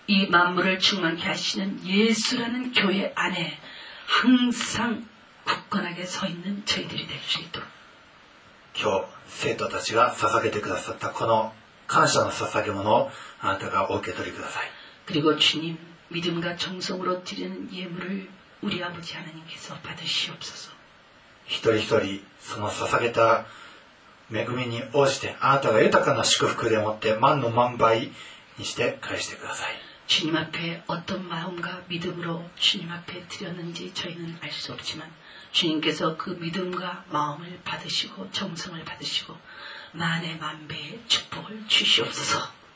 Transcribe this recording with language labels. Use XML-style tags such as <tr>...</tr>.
<ko>이 만물을 충만케 하시는 예수라는 교회 안에 항상 굳건하게 서 있는 저희들이 될 수 있도록.</ko> <ja>今日生徒たちが捧げてくださったこの感謝の捧げ物をあなたがお受け取りください.</ja> <ko>그리고 주님 믿음과 정성으로 드리는 예물을 우리 아버지 하나님께서 받으시옵소서.</ko> <ja>一人一人その捧げた 恵みに応じてあなたが豊かな祝福でもって万の万倍にして返してください.</ja> <ko>주님 앞에 어떤 마음과 믿음으로 주님 앞에 드렸는지 저희는 알 수 없지만 주님께서 그 믿음과 마음을 받으시고 정성을 받으시고 만의 만배의 축복을 주시옵소서.</ko>